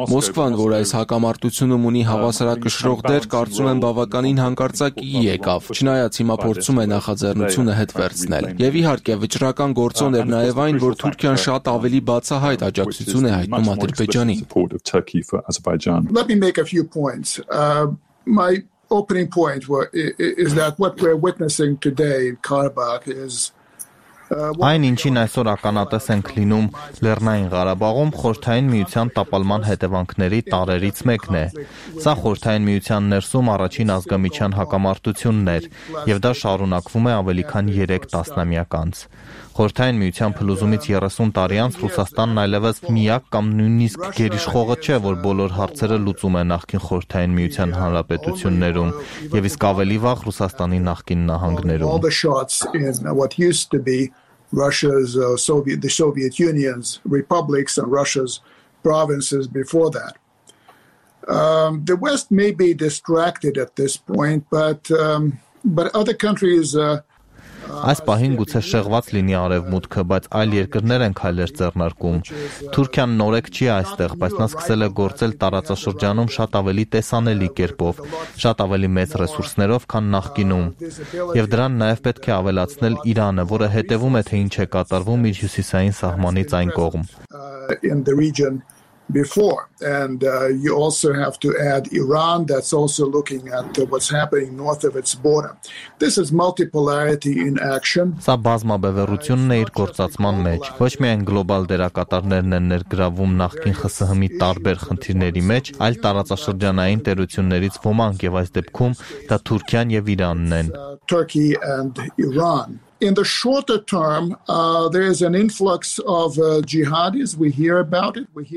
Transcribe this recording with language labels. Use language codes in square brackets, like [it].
[hy] Մոսկվան, որ այս հակամարտությունում ունի հավասարակշռող դեր, կարծում եմ բավականին հանկարծակի եկավ, չնայած հիմա փորձում է նախաձեռնությունը հետ վերցնել։ Եվ իհարկե վճռական գործոն էր նաև այն, որ Թուրքիան շատ ավելի բացահայտ աջակցություն է հայտնում Ադրբեջանի։ [en] Let me make a few points. My opening point is that what we're witnessing today in Karabakh is [hy] Այն ինչին այսօր ականատես ենք լինում Լեռնային Ղարաբաղում, խորհրդային միության տապալման հետևանքների տարերից մեկն է։ Սա խորհրդային միության ներսում առաջին ազգամիջյան հակամարտությունն էր, և դա շարունակվում է ավելի քան 3 տասնամյակ անց։ Խորհրդային միության փլուզումից 30 տարի անց Ռուսաստանն այլևս միակ կամ նույնիսկ գերիշխողը չէ, որ բոլոր հարցերը լուծում է նախկին խորհրդային միության հանրապետություններում և իսկ ավելի վաղ Ռուսաստանի նախկին նահանգներում։ [en] The West may be distracted at this point, but other countries [hy] Այս պահին գուցե շեղված լինի արևմուտքը, բայց այլ երկրներ են քայլեր ձեռնարկում։ Թուրքիան նորեկ չի այստեղ, բայց նա սկսել է գործել տարածաշրջանում շատ ավելի տեսանելի կերպով, շատ ավելի մեծ ռեսուրսներով, քան նախկինում։ Եվ դրան նաև պետք է ավելացնել Իրանը, որը հետևում է, թե ինչ է կատարվում իր հյուսիսային սահմանից այն կողմ։ [en] Before and you also have to add Iran that's also looking at what's happening north of its border. This is multipolarity in action. [hy] Սա բազմաբևեռությունն է իր գործածման մեջ, ոչ միայն գլոբալ դերակատարներն են ներգրավում նախկին ԽՍՀՄ-ի տարբեր խնդիրների մեջ, այլ տարածաշրջանային տերություններից ոմանք, եւ այս դեպքում դա Թուրքիան եւ Իրանն են. [en] Turkey and Iran. In the shorter term, there is an influx of jihadis. We hear about it.